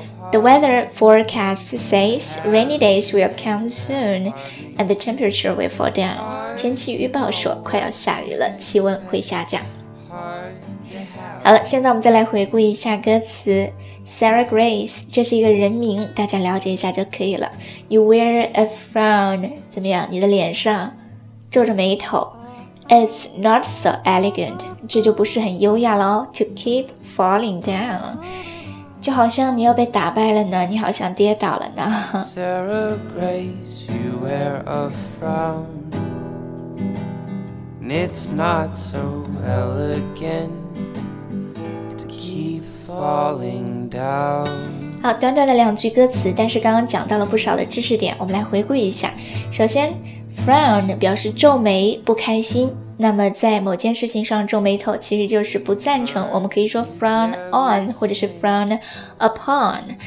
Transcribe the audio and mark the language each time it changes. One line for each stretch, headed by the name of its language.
English: The weather forecast says rainy days will come soon and the temperature will fall down.
Chinese: 天气预报说快要下雨了，气温会下降。好了，现在我们再来回顾一下歌词。 Sarah Grace， 这是一个人名，大家了解一下就可以了。
English: You wear a frown，
Chinese: 怎么样，你的脸上皱着眉头。
English: It's not so elegant，
Chinese: 这就不是很优雅了。
English: To keep falling down，
Chinese: 就好像你又被打败了呢，你好像跌倒了呢。
English: Sarah Grace, you wear a frown, and it's not so elegant to keep falling down.
Chinese: 好，短短的两句歌词，但是刚刚讲到了不少的知识点，我们来回顾一下。首先 frown 表示皱眉不开心，那么在某件事情上皱眉头其实就是不赞成，我们可以说 frown on 或者是 frown upon。